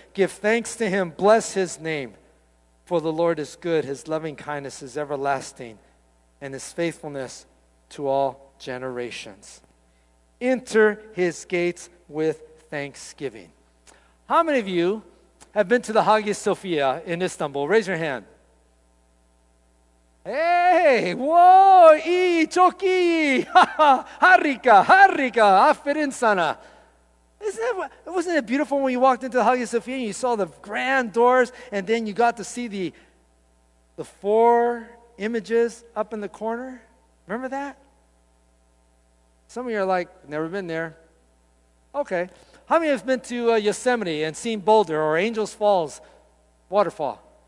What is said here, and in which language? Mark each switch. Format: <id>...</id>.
<en>Give thanks to him, bless his name. For the Lord is good, his loving kindness is everlasting, and his faithfulness to all generations. Enter his gates with thanksgiving. How many of you have been to the Hagia Sophia in Istanbul? Raise your hand.</en> <tr>Hey, whoa, iyi, çok iyi, harika, harika, aferin sana.</tr> <en>Wasn't it beautiful when you walked into the Hagia Sophia and you saw the grand doors and then you got to see the four images up in the corner? Remember that? Some of you are like, never been there. Okay. How many have been to Yosemite and seen Boulder or Angels Falls waterfall?</en>